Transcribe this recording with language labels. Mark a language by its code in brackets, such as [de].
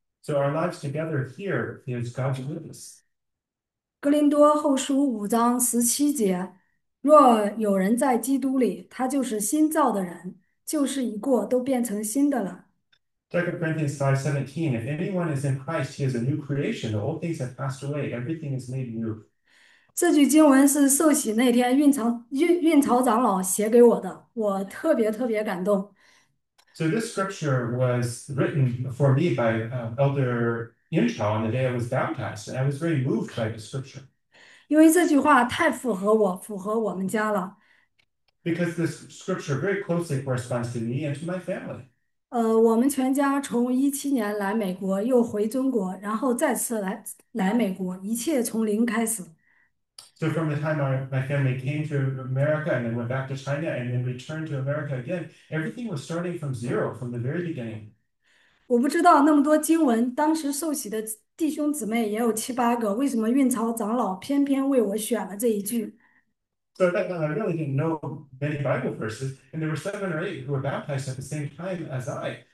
[en] So our lives together here is God's witness. [zh] 哥林多后书5:17，若有人在基督里，他就是新造的人，旧事已过，都变成新的了。 [en] 2 Corinthians 5:17, if anyone is in Christ, he is a new creation. The old things have passed away. Everything is made new. [zh] 这句经文是受洗那天运潮长老写给我的，我特别感动。 [en] So this scripture was written for me by Elder Inchal on the day I was baptized, and I was very moved by the scripture. [zh] 因为这句话太符合我们家了。 [en] Because this scripture very closely corresponds to me and to my family. [zh] 我们全家从2017年来美国，又回中国，然后再次来美国，一切从零开始。 [en] So from the time my family came to America and then went back to China and then returned to America again, everything was starting from zero, from the very beginning. [zh] 我不知道那么多经文，当时受洗的弟兄姊妹也有7、8个，为什么运潮长老偏偏为我选了这一句？ [en] So back then I really didn't know many Bible verses, and there were 7 or 8 who were baptized at the same time as I.